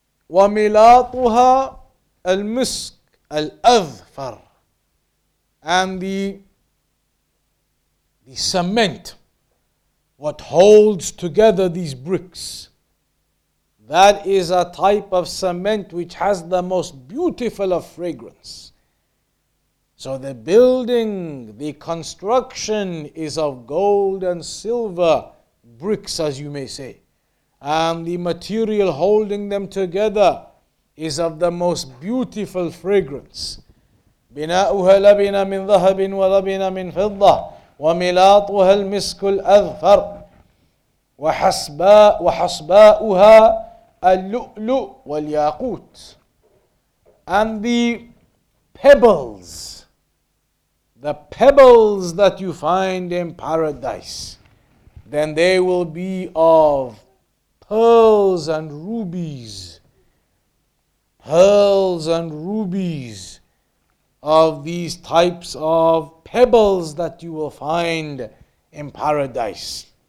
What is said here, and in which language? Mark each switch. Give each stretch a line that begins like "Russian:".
Arabic: وَمِلَاطُهَا الْمِسْكُ Al-Adhfar,
English: and the cement, what holds together these bricks, that is a type of cement which has the most beautiful of fragrance. So the building, the construction is of gold and silver bricks, as you may say, and the material holding them together is of the most beautiful fragrance.
Arabic: بناؤها لبن من ذهب ولبن من فضة وملاطها المسك الأذفر وحصباؤها اللؤلؤ والياقوت.
English: And the pebbles that you find in paradise, then they will be of pearls and rubies, pearls and rubies of these types of pebbles that you will find in paradise.